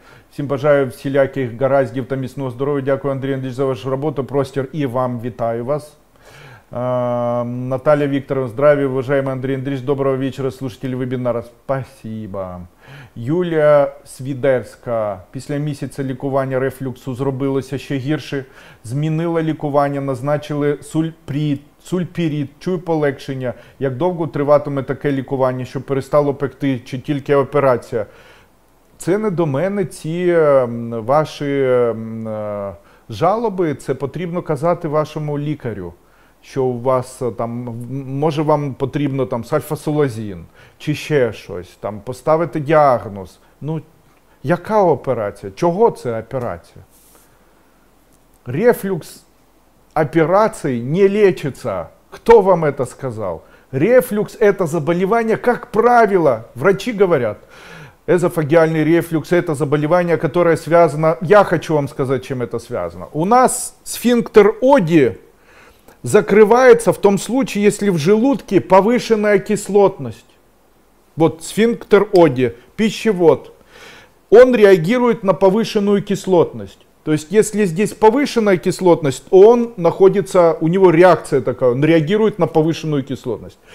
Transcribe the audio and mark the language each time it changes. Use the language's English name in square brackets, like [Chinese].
[Ukrainian] Всім бажаю всіляких гараздів та міцного здоров'я. Дякую, Андрій Андрійович, за вашу роботу, простір. І вам вітаю вас. [Russian] Наталья Викторовна, здравия, уважаемый Андрей Андреевич, доброго вечера, слушатели вебинара, спасибо. [Ukrainian] Юлія Свідерська, після місяця лікування рефлюксу зробилося ще гірше, змінила лікування, назначили сульпірід, чую полегшення, як довго триватиме таке лікування, щоб перестало пекти, чи тільки операція? Це не до мене, ці ваші жалоби, це потрібно казати вашому лікарю. Що у вас там, може вам потрібно там сальфасулазін, чи ще щось, там поставити діагноз. Ну, яка операція? Чого це операція? Рефлюкс операції не лечиться. Хто вам це сказав? Рефлюкс – це заболівання, як правило, врачі говорять. Езофагіальний рефлюкс – це заболівання, яке зв'язане, я хочу вам сказати, чим це зв'язане. [Russian] У нас сфінктер Оді закрывается в том случае, если в желудке повышенная кислотность. Вот сфинктер Оди, пищевод. Он реагирует на повышенную кислотность. То есть, если здесь повышенная кислотность, он находится, у него реакция такая, он реагирует на повышенную кислотность.